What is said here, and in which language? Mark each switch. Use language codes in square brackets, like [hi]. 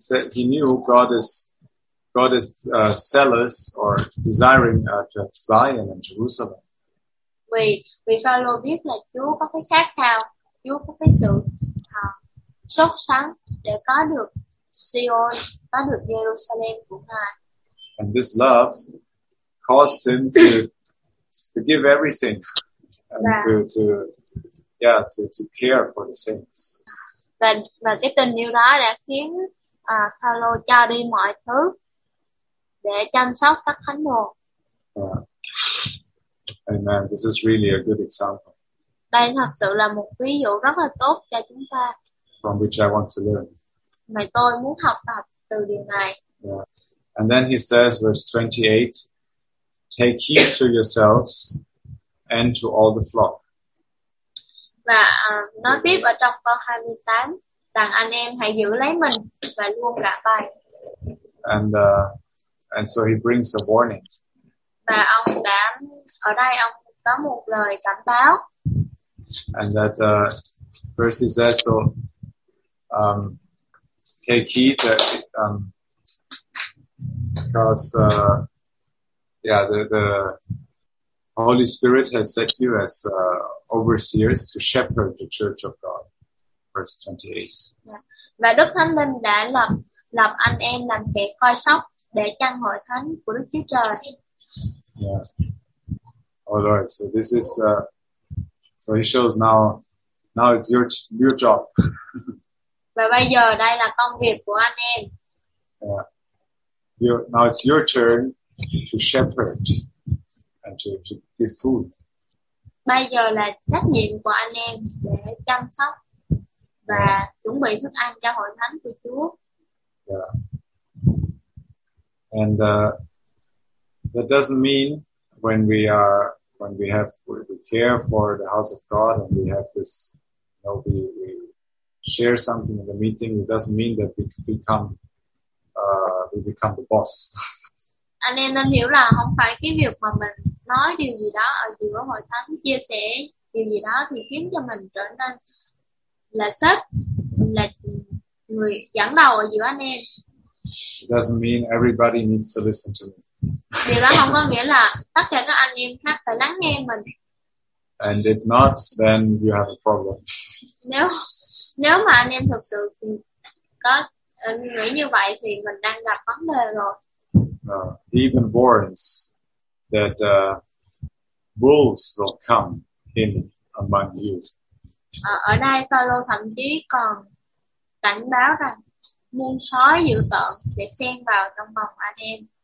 [en] He knew God is zealous or desiring Zion and Jerusalem. [vi] Vì Phaolô biết là Chúa có cái khát khao, Chúa có cái sự sốt sắng để có được Zion, có được Jerusalem của Ngài. [en] And this love caused him to give everything. To care for the saints. [vi] Và cái tình yêu đó đã khiến Phaolô cho đi mọi thứ để chăm sóc các thánh đồ. [en] Amen. This is really a good example. [vi] Đây thật sự là một ví dụ rất là tốt cho chúng ta. [en] From which I want to learn. [vi] Mà tôi muốn học tập từ điều này. [en] Yeah. And then he says, verse 28, take heed to yourselves and to all the flock. [vi] Và nói tiếp ở trong câu 28 rằng anh em hãy giữ lấy mình và luôn cả bài. [en] And so he brings a warning. [vi] Và ông đã ở đây ông có một lời cảnh báo. [en] And that verse is that so take heed that because yeah the Holy Spirit has set you as overseers to shepherd the church of God. Verse 28. Yeah. [vi] Và Đức Thánh Linh đã lập anh em làm kẻ coi sóc để chăn hội thánh của Đức Chúa Trời. [en] Yeah. All right. So this is so he shows now it's your job. [vi] Và bây giờ đây là công việc của anh em. [en] Yeah. Now it's your turn to shepherd and to give food. [vi] Bây giờ là trách nhiệm của anh em để chăm sóc và chuẩn bị thức ăn cho hội thánh của Chúa. [en] Yeah. And that doesn't mean when we care for the house of God and we have this, you know, we share something in the meeting, it doesn't mean that we become the boss. [vi] Anh em nên hiểu là không phải cái việc mà mình nói điều gì đó ở giữa hội thánh, chia sẻ điều gì đó thì khiến cho mình trở nên là sếp, là người dẫn đầu ở giữa anh em. [en] It doesn't mean everybody needs to listen to me. [vi] Điều đó không có nghĩa là tất cả các anh em khác phải lắng nghe mình. [en] And if not, then you have a problem. [vi] Nếu mà anh em thực sự có nghĩ như vậy thì mình đang gặp vấn đề rồi. [en] Even warns that wolves will come in among you. [vi] Ở đây Phaolô thậm chí còn cảnh báo rằng muôn sói dữ tợn sẽ xen vào trong vòng anh em.